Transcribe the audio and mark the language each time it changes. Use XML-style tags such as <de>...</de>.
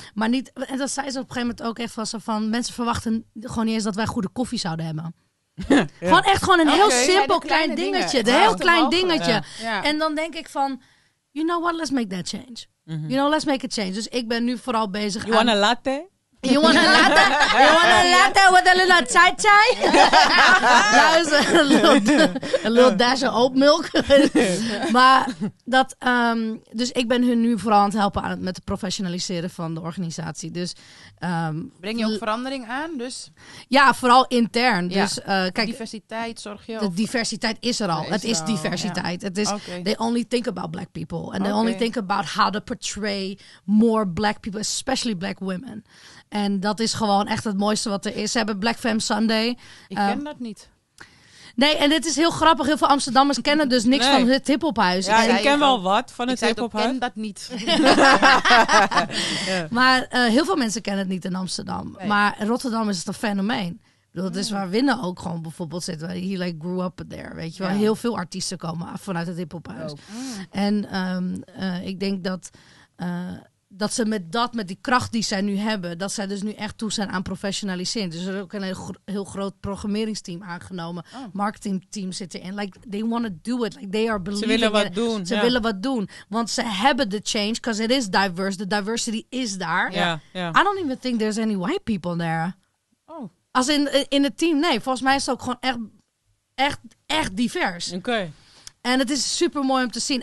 <nl>Maar niet, en dat zei ze op een gegeven moment ook echt van mensen verwachten gewoon niet eens dat wij goede koffie zouden hebben. Ja. Gewoon echt gewoon een heel simpel klein dingetje. Een heel klein dingetje. Ja. En dan denk ik van,</nl> <en>you know what, let's make that change. Mm-hmm. You know, let's make a change.</en> <nl>Dus ik ben nu vooral bezig</nl> <en>aan... You want a latte? You want a latte? You want a latte with a little chai chai? a little dash of oat milk.</en> <nl>Maar dat... dus ik ben hun nu vooral aan het helpen aan het met het professionaliseren van de organisatie. Dus, breng je ook verandering aan? Dus? Ja, vooral intern. Ja. Dus, kijk, diversiteit zorg je de over? Diversiteit is er al. Het is diversiteit. Het is</nl> <en>they only think about black people. And they only think about how to portray more black people. Especially black women.</en> <nl>En dat is gewoon echt het mooiste wat er is. Ze hebben Black Femme Sunday. Ik ken dat niet. Nee, en dit is heel grappig. Heel veel Amsterdammers kennen dus niks van het hiphophuis. Ja, ik ken wel wat van het hiphophuis. Ik ken dat niet. Maar heel veel mensen kennen het niet in Amsterdam. Nee. Maar Rotterdam is het een fenomeen. Dat is waar Winne ook gewoon bijvoorbeeld zit.</nl> <en>He like grew up there,</en> <nl>weet je wel. Ja. Heel veel artiesten komen vanuit het hiphophuis. En ik denk dat... dat ze met die kracht die zij nu hebben, dat zij dus nu echt toe zijn aan professionaliseren. Dus er is ook een heel groot programmeringsteam aangenomen. Oh. Marketingteam zit erin.</nl> <en>Like, they want to do it. Like, they are believing</en> <nl>ze willen wat doen. Ze willen wat doen. Want ze hebben de change,</nl> <en>because it is diverse. The diversity is daar. Yeah, yeah. I don't even think there's any white people there. Oh.</en> <nl>Als in het team, nee. Volgens mij is het ook gewoon echt divers. Oké. Okay. En het is super mooi om te zien.</nl>